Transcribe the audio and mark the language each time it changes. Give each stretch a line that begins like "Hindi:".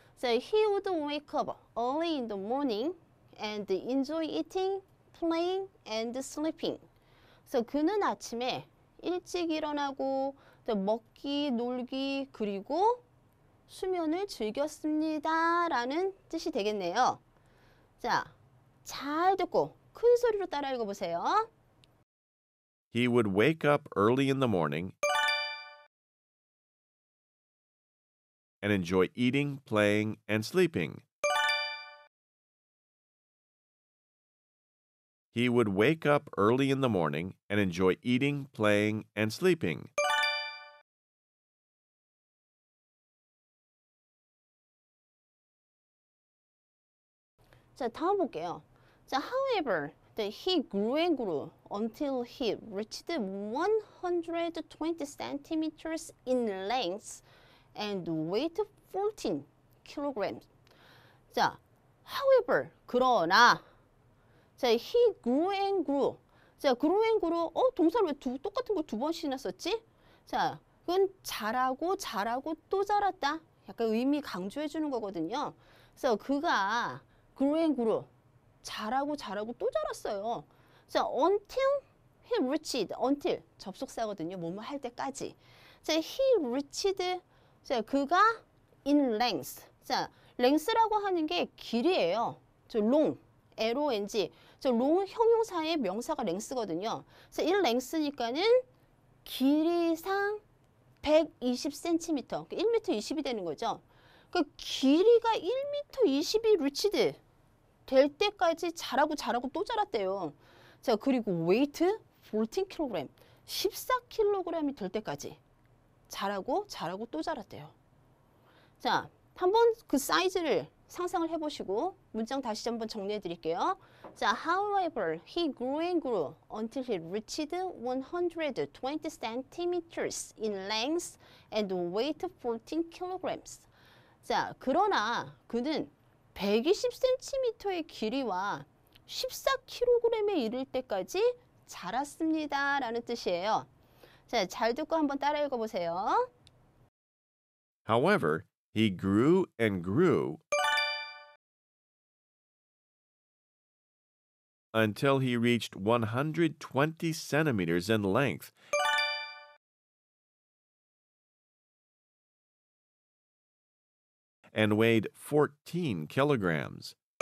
English: So he would wake up early in the morning and enjoy eating, playing, and sleeping.
Korean: So 그는 아침에 일찍 일어나고 먹기, 놀기, 그리고 수면을 즐겼습니다. 라는 뜻이 되겠네요. 자, 잘 듣고 큰 소리로 따라 읽어보세요.
English: He would wake up early in the morning and enjoy eating, playing, and sleeping. He would wake up early in the morning and enjoy eating, playing, and sleeping.
Korean: 자, 다음 볼게요.
English: 자, however, that he grew and grew until he reached 120 centimeters in length and weight 14 kilograms.
Korean: 자, however, 그러나, 자,
English: he grew and grew.
Korean: 자, grew and grew. 어, 동사를 왜 똑같은 걸 두 번씩이나 썼지? 자, 그건 자라고 자라고 또 자랐다. 약간 의미 강조해 주는 거거든요. 그래서 그가
English: grew and grew.
Korean: 자라고 자라고 또 자랐어요. 자,
English: until he reached,
Korean: until 접속사거든요. 뭐뭐 할 때까지. 자,
English: he reached.
Korean: 자, 그가 in length. 자, length라고 하는 게 길이에요. 저 long, L-O-N-G. 저 long 형용사의 명사가 length거든요. 자, in length니까는 길이상 120cm. 1m20이 되는 거죠. 그 길이가 1m20이 reached 될 때까지 자라고 자라고 또 자랐대요. 자, 그리고 weight 14kg. 14kg이 될 때까지. 자라고 자라고 또 자랐대요. 자, 한번 그 사이즈를 상상을 해보시고 문장 다시 한번 정리해 드릴게요.
English: 자, however, he grew and grew until he reached 120 centimeters in length and weight 14 kilograms.
Korean: 자, 그러나 그는 120cm의 길이와 14kg에 이를 때까지 자랐습니다. 라는 뜻이에요. 자, 잘 듣고 한번 따라 읽어보세요.
English: However, he grew and grew until he reached 120 centimeters in length and weighed 14 kilograms.